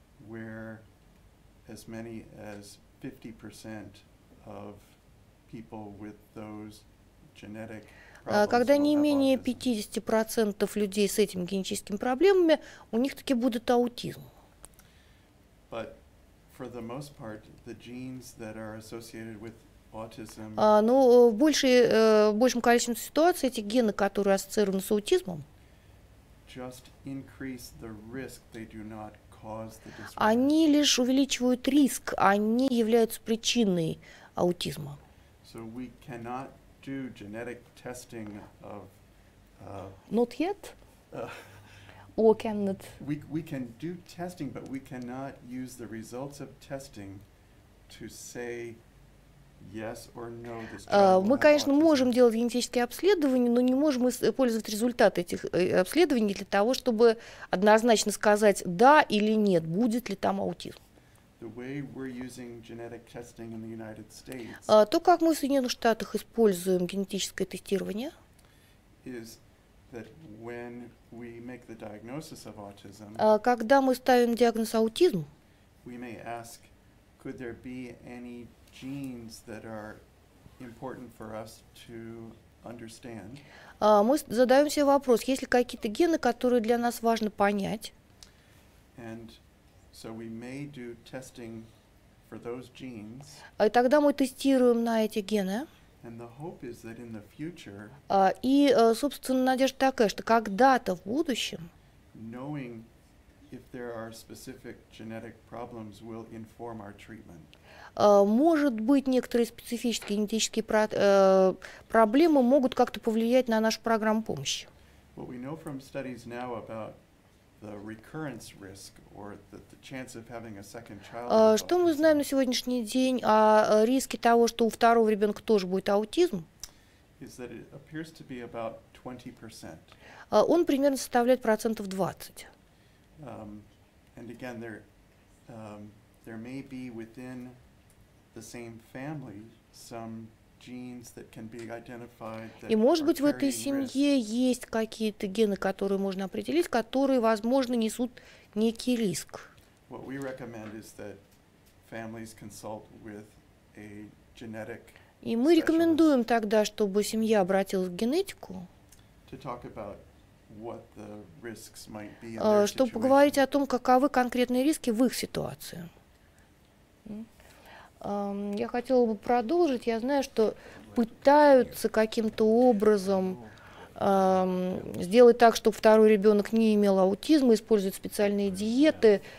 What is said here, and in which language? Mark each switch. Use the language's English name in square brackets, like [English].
[English] where as many as 50% of people with those genetic problems, [Russian] когда не менее 50% людей с этими генетическими проблемами, у них таки будет аутизм. [English] But for the most part, the genes that are associated with autism. [Russian] Но в большем количестве ситуаций эти гены, которые ассоциированы с аутизмом, [English] just increase the risk they do not cause the disorder. [Russian] Они лишь увеличивают риск, они являются причиной аутизма. [English] So we cannot do genetic testing of not yet or cannot. We can do testing, but we cannot use the results of testing to say yes or no, this [Russian] мы, конечно, можем делать генетические обследования, но не можем использовать результаты этих обследований для того, чтобы однозначно сказать да или нет, будет ли там аутизм. [English] The way we're using genetic testing in the United States, [Russian] то, как мы в Соединенных Штатах используем генетическое тестирование, [English] is that when we make the diagnosis of autism, [Russian] когда мы ставим диагноз аутизм, [English] we may ask, could there be any genes that are important for us to understand. [Russian] Мы задаем себе вопрос, есть ли какие-то гены, которые для нас важно понять? [English] And so we may do testing for those genes. [Russian] И тогда мы тестируем на эти гены. [English] And the hope is that in the future. [Russian] И, собственно, надежда такая, что когда-то в будущем, [English] knowing if there are specific genetic problems, will inform our treatment. [Russian] Может быть, некоторые специфические генетические проблемы могут как-то повлиять на нашу программу помощи. [English] What we know from studies now about the recurrence risk or the chance of having a second child. [Russian] Что мы знаем на сегодняшний день о риске того, что у второго ребенка тоже будет аутизм? [English] Is that it appears to be about 20%. [Russian] Он примерно составляет процентов 20. [English] And again, there there may be within the same family some genes that can be identified. [Russian] И может быть в этой семье есть какие-то гены, которые можно определить, которые, возможно, несут некий риск. [English] What we recommend is that families consult with a genetic. [Russian] И мы рекомендуем тогда, чтобы семья обратилась к генетику. [English] To talk about what the risks might be in their situation. [Russian] Чтобы поговорить о том, каковы конкретные риски в их ситуации. Я хотела бы продолжить. Я знаю, что пытаются каким-то образом сделать так, чтобы второй ребенок не имел аутизма, использовать специальные диеты.